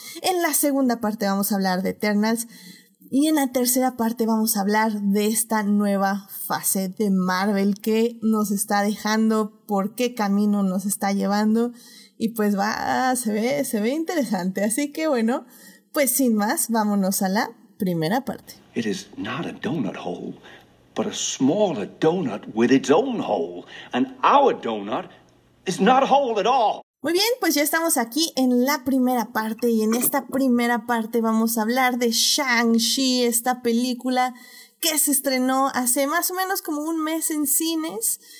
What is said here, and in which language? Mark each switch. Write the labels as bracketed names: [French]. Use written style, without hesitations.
[Spanish] En la segunda parte vamos a hablar de Eternals. Y en la tercera parte vamos a hablar de esta nueva fase de Marvel que nos está dejando, por qué camino nos está llevando. Y pues va, se ve interesante. Así que bueno, pues sin más, vámonos a la primera parte. [English] It is not a donut hole, but a smaller donut with its own hole. And our donut is not a hole at all. [Spanish] Muy bien, pues ya estamos aquí en la primera parte. Y en esta primera parte vamos a hablar de Shang-Chi, esta película que se estrenó hace más o menos como un mes en cines.